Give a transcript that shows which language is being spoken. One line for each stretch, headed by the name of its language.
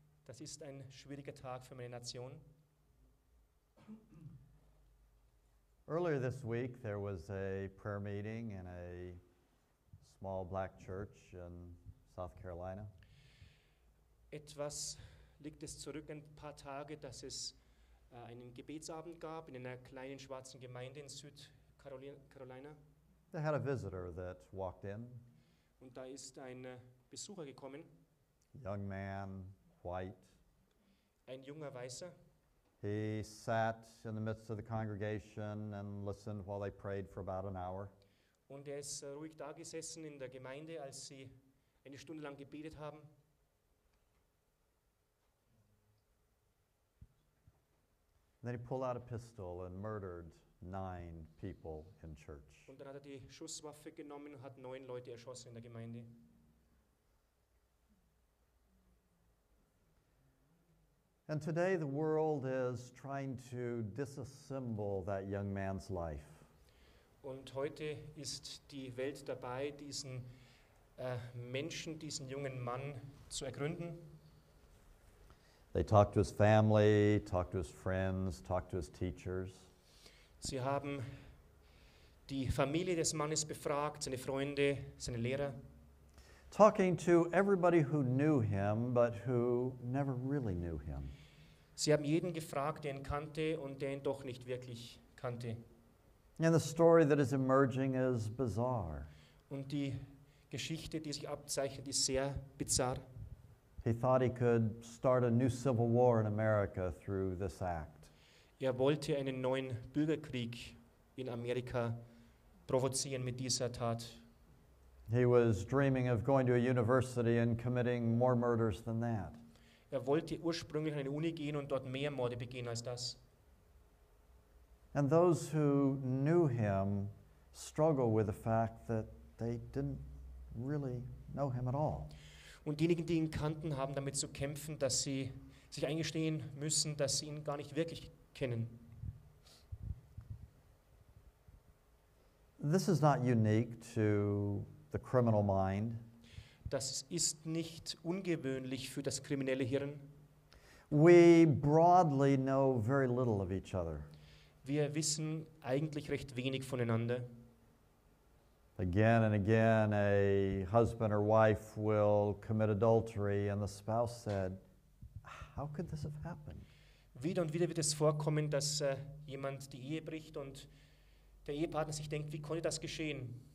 German: Das ist ein schwieriger Tag für meine Nation.
English: Earlier this week, there was a prayer meeting in a small black church in South Carolina.
German: Etwas liegt es zurück ein paar Tage, dass es einen Gebetsabend gab in einer kleinen schwarzen Gemeinde in Süd-Carolina.
English: They had a visitor that walked in.
German: Und da ist ein Besucher gekommen.
English: Young man, white.
German: Ein junger Weißer.
English: He sat in the midst of the congregation and listened while they prayed for about an hour.
German: Und er ist ruhig da gesessen in der Gemeinde, als sie eine Stunde lang gebetet haben.
English: Then he pulled out a pistol and murdered 9 people in church.
German: Und dann hat er die Schusswaffe genommen und hat 9 Leute erschossen in der Gemeinde.
English: And today the world is trying to disassemble that young man's life.
German: Und heute ist die Welt dabei, diesen Menschen, diesen jungen Mann zu ergründen.
English: They talk to his family, talk to his friends, talk to his teachers.
German: Sie haben die Familie des Mannes befragt, seine Freunde, seine Lehrer.
English: Talking to everybody who knew him, but who never really knew him.
German: Sie haben jeden gefragt, der ihn kannte und der ihn doch nicht wirklich kannte.
English: And the story that is emerging is bizarre.
German: Und die Geschichte, die sich abzeichnet, ist sehr bizarr.
English: He thought he could start a new civil war in America through this act.
German: Er wollte einen neuen Bürgerkrieg in Amerika provozieren mit dieser Tat.
English: He was dreaming of going to a university and committing more murders than that.
German: Er wollte ursprünglich an eine Uni gehen und dort mehr Morde begehen als das.
English: And those who knew him struggle with the fact that they didn't really know him at all.
German: Und diejenigen, die ihn kannten, haben damit zu kämpfen, dass sie sich eingestehen müssen, dass sie ihn gar nicht wirklich kennen.
English: This is not unique to the criminal mind.
German: Das ist nicht ungewöhnlich für das kriminelle Hirn.
English: We broadly know very little of each other.
German: Wir wissen eigentlich recht wenig voneinander.
English: Again and again, a husband or wife will commit adultery, and the spouse said, "How could this have happened?"
German: Wieder und wieder wird es vorkommen, dass jemand die Ehe bricht und der Ehepartner sich denkt, wie konnte das geschehen?